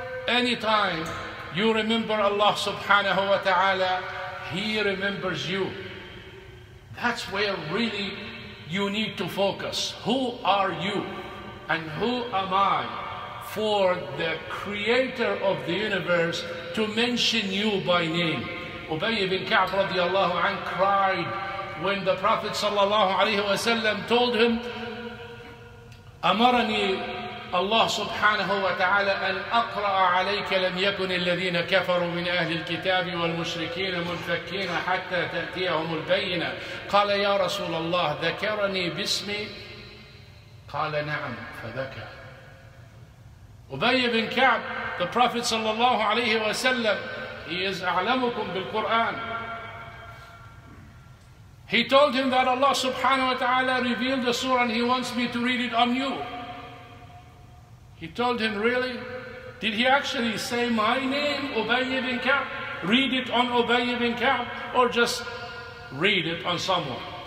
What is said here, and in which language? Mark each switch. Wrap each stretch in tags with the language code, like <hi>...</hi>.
<en>Anytime you remember Allah subhanahu wa ta'ala, He remembers you. That's where really you need to focus. Who are you and who am I for the creator of the universe to mention you by name? Ubay ibn Ka'b radiallahu anhu cried when the Prophet sallallahu alayhi wa sallam told him,</en> <ar>أمرني الله سبحانه وتعالى أن أقرأ عليك لم يكن الذين كفروا من أهل الكتاب والمشركين منفكين حتى تأتيهم البينة. قال يا رسول الله ذكرني باسمي؟ قال نعم فذكر. أبي بن كعب,</ar> <en>the Prophet</en> <ar>صلى الله عليه وسلم,</ar> <en>he is</en> <ar>أعلمكم بالقرآن.</ar> <en>He told him that Allah subhanahu wa ta'ala revealed the surah and He wants me to read it on you. He told him, really? Did he actually say my name, Ubay ibn Ka'b? Read it on Ubay ibn Ka'b, or just read it on someone?</en>